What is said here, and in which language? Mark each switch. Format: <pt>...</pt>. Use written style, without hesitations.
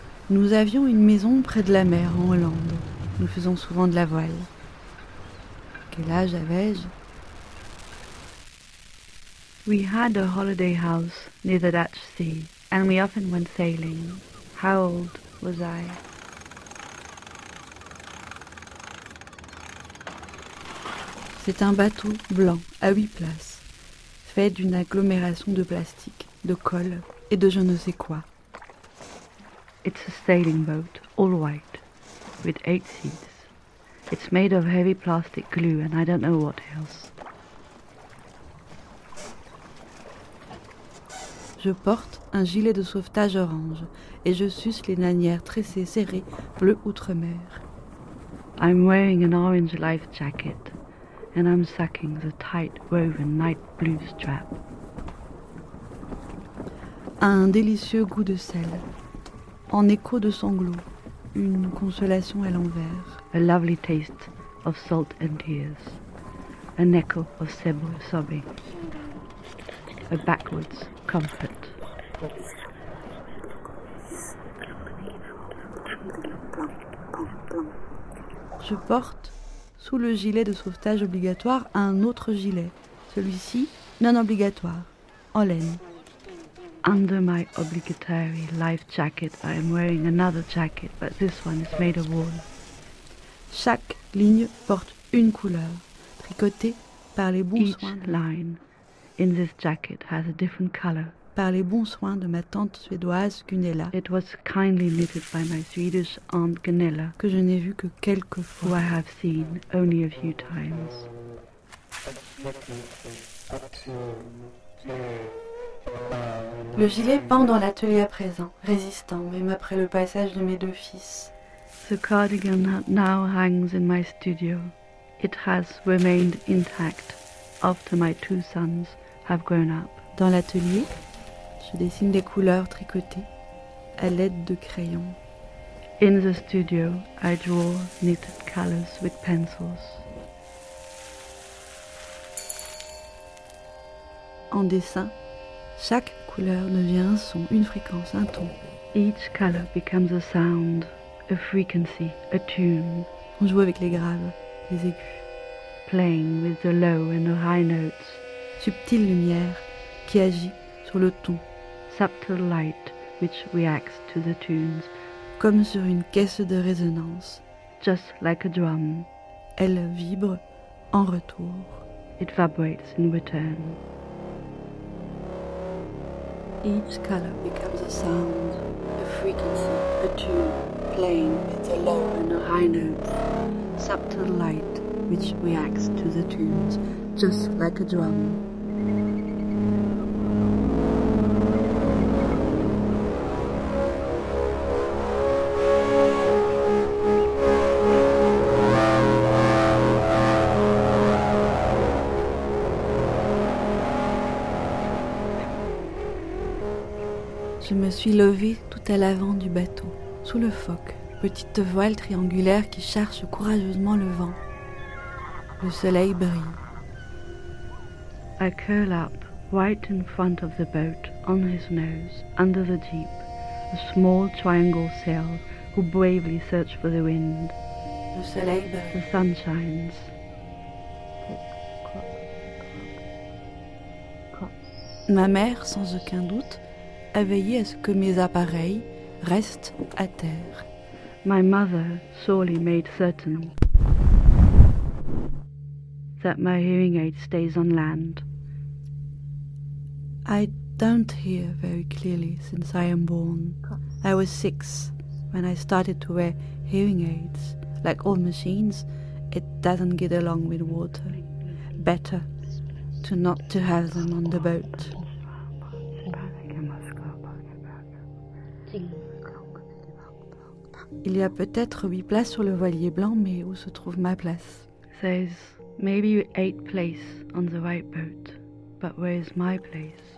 <fr>Nous avions une maison près de la mer, en Hollande. Nous faisons souvent de la voile. Quel âge avais-je?</fr> <en>We had a holiday house near the Dutch Sea, and we often went sailing. How old was I?</en> <fr>C'est un bateau blanc, à 8 places, fait d'une agglomération de plastique, de colle et de je ne sais quoi.</fr> <en>It's a sailing boat, all white, with 8 seats. It's made of heavy plastic glue and I don't know what else.</en> <fr>Je porte un gilet de sauvetage orange et je suce les nanières tressées serrées bleu outre-mer.</fr> <en>I'm wearing an orange life jacket and I'm sucking the tight woven night blue strap.</en> <fr>Un délicieux goût de sel. En écho de sanglots, une consolation à l'envers.</fr> <en>A lovely taste of salt and tears. An echo of sable sobbing. A backwards comfort.</en> <fr>Je porte, sous le gilet de sauvetage obligatoire, un autre gilet. Celui-ci, non obligatoire, en laine.</fr> <en>Under my obligatory life jacket, I am wearing another jacket, but this one is made of wool.</en> <fr>Chaque ligne porte une couleur, tricotée par les bons soins.</fr> <en>Each line in this jacket has a different color.</en> <fr>Par les bons soins de ma tante suédoise Gunella.</fr> <en>It was kindly knitted by my Swedish aunt Gunella.</en> <fr>Que je n'ai vu que quelques fois.</fr> <en>Who I have seen only a few times.</en> <fr>Le gilet pend dans l'atelier à présent, résistant, même après le passage de mes deux fils.</fr> <en>The cardigan now hangs in my studio, It has remained intact after my two sons have grown up.</en> <fr>Dans l'atelier, je dessine des couleurs tricotées à l'aide de crayons.</fr> <en>In the studio, I draw knitted colors with pencils.</en> <fr>En dessin, chaque couleur devient un son, une fréquence, un ton.</fr> <en>Each color becomes a sound, a frequency, a tune.</en> <fr>On joue avec les graves, les aigus.</fr> <en>Playing with the low and the high notes.</en> <fr>Subtile lumière qui agit sur le ton.</fr> <en>Subtle light which reacts to the tunes.</en> <fr>Comme sur une caisse de résonance.</fr> <en>Just like a drum.</en> <fr>Elle vibre en retour.</fr> <en>It vibrates in return. Each color becomes a sound, a frequency, a tune, playing with a low and a high note. Subtle light which reacts to the tunes, just like a drum.</en> <fr>Je me suis levée tout à l'avant du bateau, sous le foc, petite voile triangulaire qui charge courageusement le vent. Le soleil brille.</fr> <en>I curl up, right in front of the boat, on his nose, under the jeep, a small triangle sail who bravely search for the wind.</en> <fr>Le soleil brille.</fr> <en>The sun shines.</en> <fr>Ma mère, sans aucun doute, a veillé à ce que mes appareils restent à terre.</fr> <en>My mother surely made certain that my hearing aid stays on land. I don't hear very clearly since I am born. I was six when I started to wear hearing aids. Like all machines, it doesn't get along with water. Better to not to have them on the boat.</en> <fr>Il y a peut-être 8 places sur le voilier blanc, mais où se trouve ma place?</fr> <en>There's maybe 8 places on the white boat, but where is my place?</en>